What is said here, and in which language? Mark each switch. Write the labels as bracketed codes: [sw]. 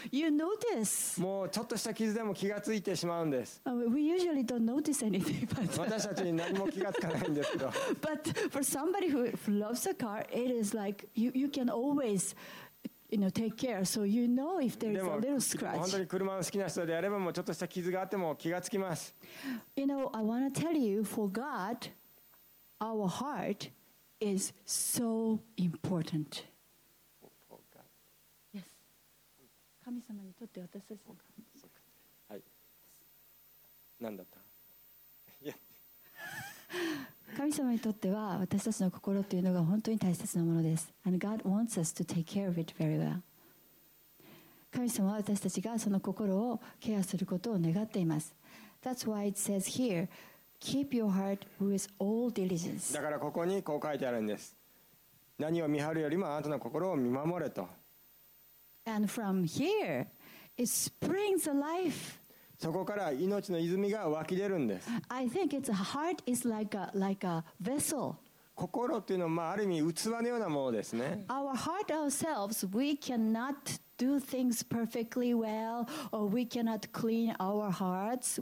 [en] you notice. We usually don't notice anything, but for somebody who loves a car, it is like you can always, you know, take care, so you know if there is a little scratch. [ja] 本当に車の好きな人であればもうちょっとした傷があっても気がつきます。 [en] You know, I want to tell you, for God, our heart is so important. Yes. [ja] 神様にとって私たちの。はい。何だった？神様にとっては私たちの心というのが本当に大切なものです。 [en] And God wants us to take care of it very well. [ja] 神様は私たちがその心をケアすることを願っています。 [en] That's why it says here, keep your heart with all diligence. [ja] だからここにこう書いてあるんです。何を見張るよりもあなたの心を見守れと。 [en] And from here, it springs a life. [ja] そこから命の泉が湧き出るんです。 [en] I think its heart is like a vessel. [ja] 心っていうのはある意味器のようなものですね。 [en] Our heart ourselves, we cannot do things perfectly well, or we cannot clean our hearts.